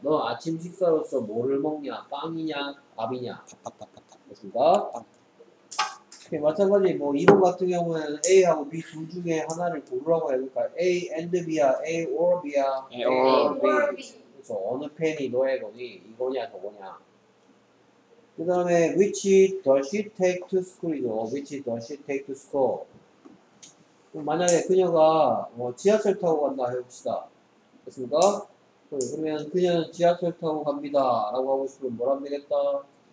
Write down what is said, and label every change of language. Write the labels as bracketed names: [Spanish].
[Korean] 너 아침 식사로서 뭐를 먹냐? 빵이냐? 밥이냐? 됐습니다. 오케이, 마찬가지 뭐 2번 같은 경우에는 A하고 B 둘 중에 하나를 고르라고 해볼까? [English] A and B [Korean] 야? [English] A or B [Korean] 야? [English] A or B. [Korean] 그래서 어느 펜이 너의 거니? 이거냐 저거냐? 그 다음에 [English] Which does she take to school이죠? Which does she take to school? [Korean] 만약에 그녀가 지하철 타고 간다 해봅시다. 됐습니까? 그러면 그녀는 지하철 타고 갑니다 라고 하고 싶으면 뭐라 하면 되겠다?